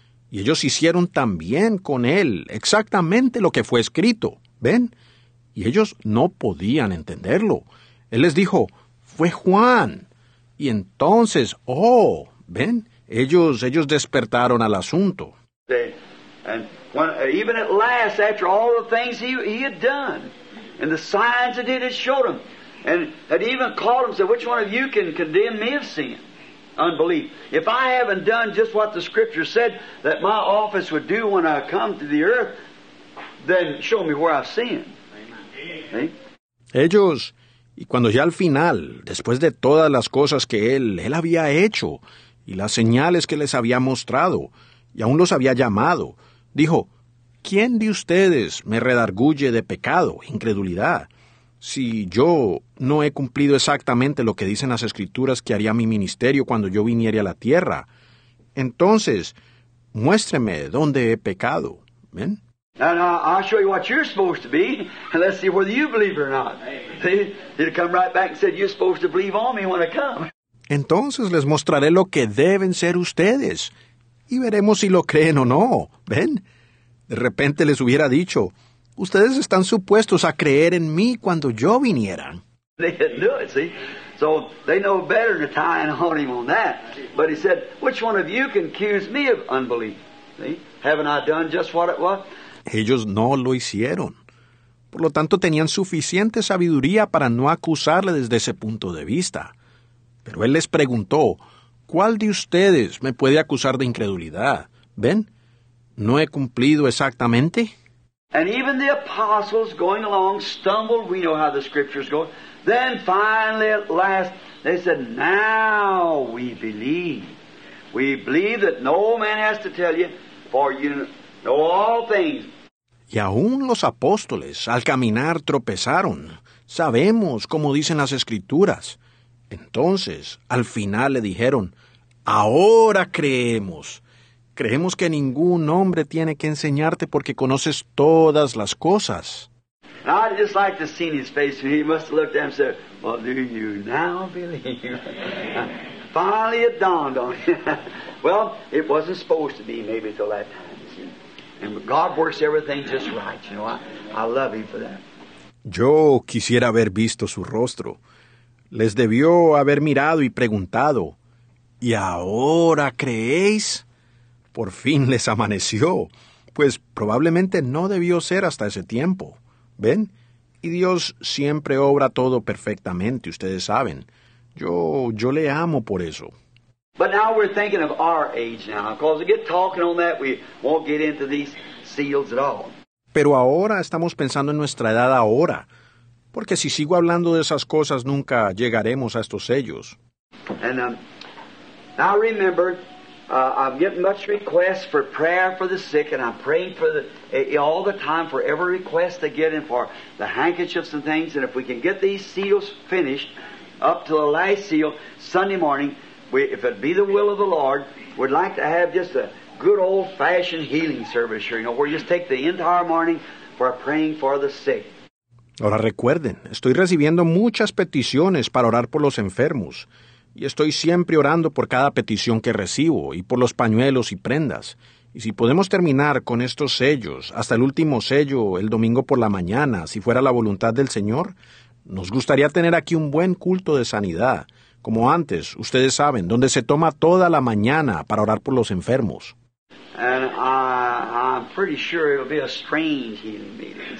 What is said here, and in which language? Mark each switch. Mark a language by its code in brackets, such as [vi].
[es] Y ellos hicieron también con él exactamente lo que fue escrito. ¿Ven? Y ellos no podían entenderlo. Él les dijo, fue Juan. Y entonces, oh, ¿ven? Ellos despertaron al asunto. [en] Even at last, after all the things he had done, and the signs that he had showed them, and had even called them, said, which one of you can condemn me of sin? Unbelief. If I haven't done just what the Scripture said that my office would do when I come to the earth, then show me where I've sinned. [es] Ellos, y cuando ya al final, después de todas las cosas que él había hecho, y las señales que les había mostrado, y aún los había llamado, dijo, ¿quién de ustedes me redarguye de pecado, incredulidad, si yo no he cumplido exactamente lo que dicen las Escrituras que haría mi ministerio cuando yo viniera a la tierra? Entonces, muéstreme dónde he pecado. ¿Ven? [en] And I'll show you what you're supposed to be, and let's see whether you believe it or not. He'd come right back and said, you're supposed to believe on me when I come. [es] Entonces les mostraré lo que deben ser ustedes, y veremos si lo creen o no. ¿Ven? De repente les hubiera dicho, ustedes están supuestos a creer en mí cuando yo viniera. [en] They didn't do it, see? So they know better to tie in on him on that. But he said, which one of you can accuse me of unbelief? See? Haven't I done just what it was? [es] Ellos no lo hicieron. Por lo tanto, tenían suficiente sabiduría para no acusarle desde ese punto de vista. Pero él les preguntó, ¿cuál de ustedes me puede acusar de incredulidad? ¿Ven? ¿No he cumplido exactamente? [en] And even the apostles going along stumbled. We know how the scriptures go. Then finally at last they said, now we believe. We believe that no man has to tell you, for you know all things. [es] Y aún los apóstoles al caminar tropezaron. Sabemos como dicen las escrituras. Entonces al final le dijeron, ahora creemos. Creemos que ningún hombre tiene que enseñarte porque conoces todas las cosas. [en] I'd just like to see his face. He must have looked at him and said, well, do you now believe? Finally it dawned on him. Well, it wasn't supposed to be maybe till that time. See? And God works everything just right. You know, I love him for that. [es] Yo quisiera haber visto su rostro. Les debió haber mirado y preguntado, ¿y ahora creéis? Por fin les amaneció, pues probablemente no debió ser hasta ese tiempo. ¿Ven? Y Dios siempre obra todo perfectamente, ustedes saben. Yo le amo por eso. [en] But now we're thinking of our age now, because we get talking on that, we won't get into these seals at all. [es] Pero ahora estamos pensando en nuestra edad ahora, porque si sigo hablando de esas cosas, nunca llegaremos a estos sellos. [en] And now remember, I'm getting much requests for prayer for the sick, and I'm praying for all the time for every request they get in for the handkerchiefs and things. And if we can get these seals finished up to the last seal Sunday morning, if it be the will of the Lord, we'd like to have just a good old-fashioned healing service here, you know, where you just take the entire morning for praying for the sick. [es] Ahora recuerden, estoy recibiendo muchas peticiones para orar por los enfermos. Y estoy siempre orando por cada petición que recibo y por los pañuelos y prendas. Y si podemos terminar con estos sellos hasta el último sello el domingo por la mañana, si fuera la voluntad del Señor, nos gustaría tener aquí un buen culto de sanidad, como antes, ustedes saben, donde se toma toda la mañana para orar por los enfermos. [en] And I'm pretty sure it'll be a strange healing meeting.